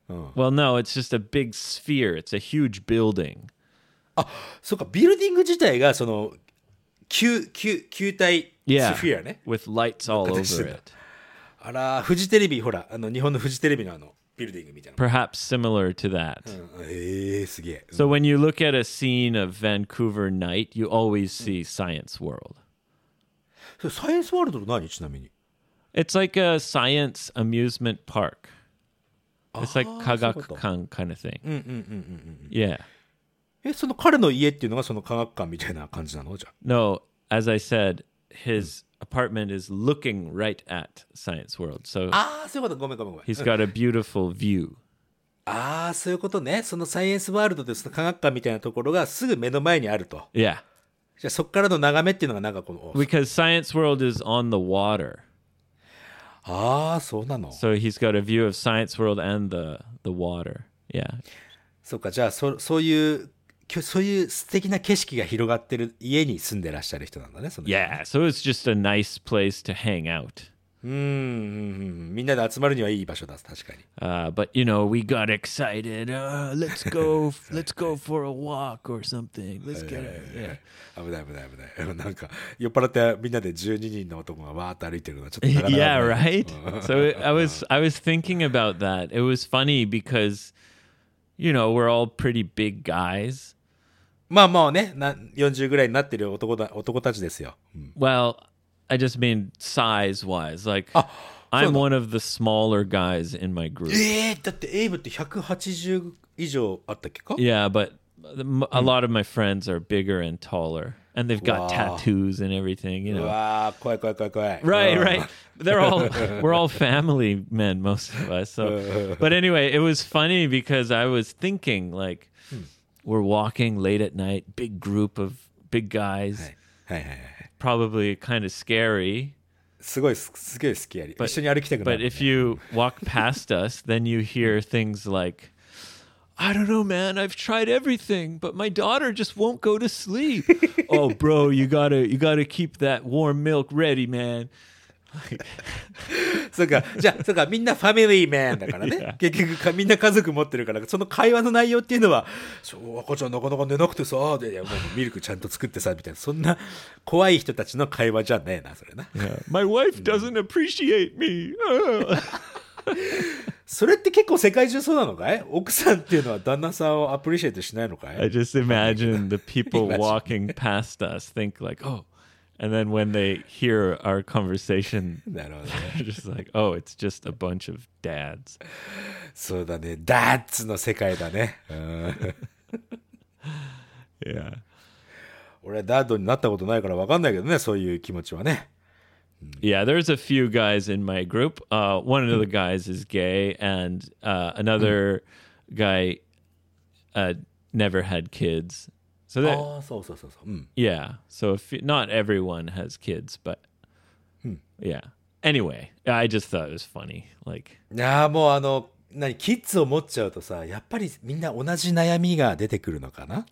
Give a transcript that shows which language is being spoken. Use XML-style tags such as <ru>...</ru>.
<en>Well, no, it's just a big sphere. It's a huge building.</en> <ja>あ、そうか、ビルディング自体がその球体、sphere ね。</ja> <en>Yeah, with lights all over it.</en> <ja>あら、フジテレビ、ほら、あの日本のフジテレビのあの。</ja> <en>Building, perhaps similar to that.</en> <ja>すげえ。</ja> <en>So when you look at a scene of Vancouver night, you always see Science World.</en> <ja>Science World って何ちなみに?</ja> <en>It's like a science amusement park. It's like 科学館 kind of thing. Yeah.</en> <ja>その彼の家っていうのがその科学館みたいな感じなのじゃ?</ja> <en>No, as I said, his apartment is looking right at Science World. So,</en> <ja>ああ、そういうこと。ごめんごめんごめん。</ja> <en>He's got a beautiful view.</en> <ja>ああ、そういうことね。そのサイエンスワールドです。科学館みたいなところがすぐ目の前にあると。</ja> <en>Yeah.</en> <ja>じゃあそこからの眺めっていうのがなんかこの。</ja> <en>Because Science World is on the water.</en> <ja>ああ、そうなの。</ja> <en>So he's got a view of Science World and the water. Yeah.</en> <ja>そうか。じゃあそういう素敵な景色が広がってる家に住んでらっしゃる人なんだね。その</ja> <en>yeah, so it's just a nice place to hang out.</en> <ja>みんなで集まるにはいい場所だ、確かに。</ja> <en>But you know, we got excited. Let's go for a walk or something. Let's get it. Yeah.</en> <ja>危ない危ない危ない。なんか酔っ払ってみんなで12人の男がわーっと歩いてるのはちょっとなかなか</ja> <en>Yeah, right? So I was thinking about that. It was funny because... You know, we're all pretty big guys.</en> <ja>まあまあね、40ぐらいになってる男たちですよ。</ja> <en>Well, I just mean size-wise. Like, I'm one of the smaller guys in my group.</en> <ja>だってエイブって180以上あったっけか?</ja> <en>Yeah, but a lot of my friends are bigger and taller. And they've got tattoos and everything, you know.</en> <ja>Wow, 怖い怖い怖い怖い。</ja> <en>Right, right. We're all family men, most of us. So, but anyway, it was funny because I was thinking, like, we're walking late at night, big group of big guys. Probably kind of scary.</en> <ja>すごい、すげえ scary. 一緒に歩きたくなる。</ja> <en>But if you walk past us, then you hear things like,I don't know, man. I've tried everything, but my daughter just won't go to sleep. Oh, bro, you gotta keep that warm milk ready, man.</en> <ja>そうか、じゃあ、そうか、みんなファミリーマンだからね。結局みんな家族持ってるから、その会話の内容っていうのは、そう、赤ちゃんなかなか寝なくてさ、で、もうミルクちゃんと作ってさ、みたいな、そんな怖い人たちの会話じゃねえな、それな。</ja> <en>My wife doesn't appreciate me.</en> <ja>それって結構世界中そうなのかい?奥さんっていうのは旦那さんをアプリシエイトしないのかい?</ja> <en>I just imagine the people walking past us think like, oh, and then when they hear our conversation, they're just like, oh, it's just a bunch of dads.</en> <ja>そうだね。Dads の世界だね。</ja> <en>yeah.</en> <ja>俺はダッドになったことないから分かんないけどね、そういう気持ちはね。</ja> <en>Yeah, there's a few guys in my group. One of the guys is gay, and another guy never had kids. So that,</en> <ja>そうそうそうそう.</ja> <en>Yeah, so if not everyone has kids, but yeah. Anyway, I just thought it was funny. Like,</en> <ja>もうあの何キッズを持っちゃうとさ、やっぱりみんな同じ悩みが出てくるのかな?</ja>